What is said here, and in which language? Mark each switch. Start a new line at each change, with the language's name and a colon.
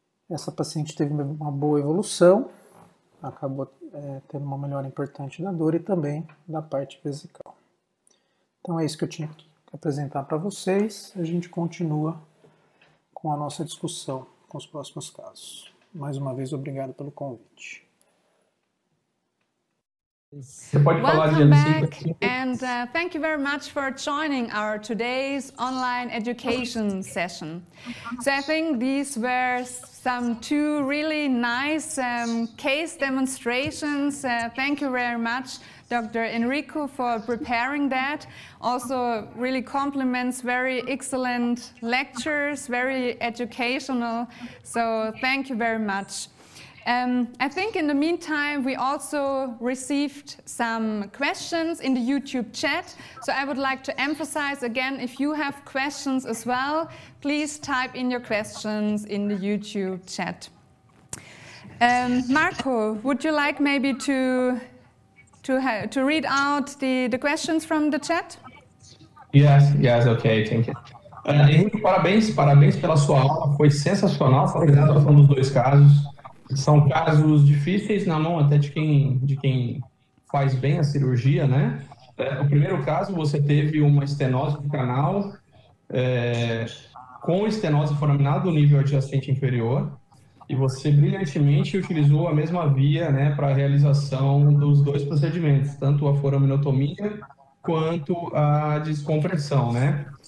Portuguese: Essa paciente teve uma boa evolução, acabou tendo uma melhora importante na dor e também da parte vesical. Então é isso que eu tinha que apresentar para vocês. A gente continua com a nossa discussão com os próximos casos. Mais uma vez, obrigado pelo convite. Você pode falar,
English: Welcome Diana, back and thank you very much for joining our today's online education session. So I think these were some two really nice case demonstrations. Thank you very much, Dr. Enrico, for preparing that. Also really compliments, very excellent lectures, very educational. So thank you very much. I think in the meantime, we also received some questions in the YouTube chat. So I would like to emphasize again, if you have questions as well, please type in your questions in the YouTube chat. Marco, would you like maybe to read out the questions from the chat? Yes, okay, thank you.
Portuguese: Henrique, parabéns pela sua aula, foi sensacional, foi apresentação dos dois casos. São casos difíceis na mão até de quem faz bem a cirurgia, né? O primeiro caso, você teve uma estenose do canal com estenose foraminal do nível adjacente inferior e você brilhantemente utilizou a mesma via, né, para a realização dos dois procedimentos, tanto a foraminotomia quanto a descompressão, né?